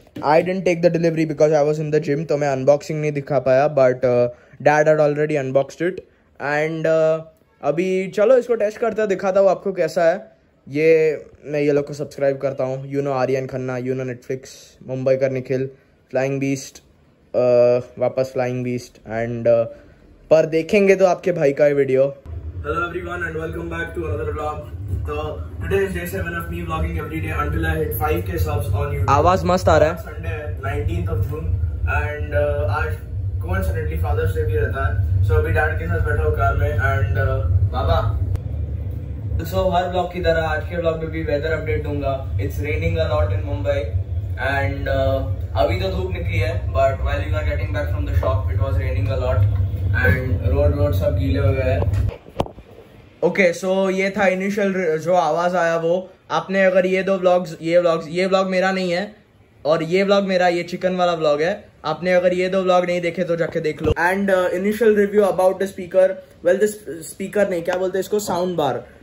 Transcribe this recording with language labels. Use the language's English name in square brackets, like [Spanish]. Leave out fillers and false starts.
[English] I didn't take the delivery because I was in the gym, [Hindi] तो मैं unboxing नहीं दिखा पाया, [English] but dad had already unboxed it, [Hindi] and अभी चलो इसको टेस्ट करते हैं, दिखाता हूँ आपको कैसा है ये। मैं ये लोग को सब्सक्राइब करता हूँ, you know Aryan Khanna, you know Netflix, Mumbai का निखिल, फ्लाइंग बीस्ट, वापस फ्लाइंग बीस्ट, एंड पर देखेंगे तो आपके भाई का ये video. [English] Hello everyone and welcome back to another vlog. So today is day 7 of me vlogging every day until I hit 5k subs on YouTube. [Hindi] आवाज मस्त आ रहा है। Sunday 19th of June and आज coincidentally Father's Day भी रहता है, so अभी dad के साथ बैठा हूँ कार में and Baba. So हर vlog की तरह आज के vlog में भी weather update दूंगा। [English] It's raining a lot in Mumbai and [Hindi] अभी तो धूप निकली है, [English] but while we were getting back from the shop it was raining a lot and [Hindi] road सब गीले हो गए हैं। ओके सो ये था इनिशियल जो आवाज़ आया वो। आपने अगर ये दो व्लॉग्स, ये व्लॉग मेरा नहीं है और ये व्लॉग मेरा, ये चिकन वाला व्लॉग है, आपने अगर ये दो व्लॉग नहीं देखे तो जाके देख लो। [English] and initial review about the speaker, [Hindi] well the speaker नहीं, क्या बोलते इसको, साउंड बार।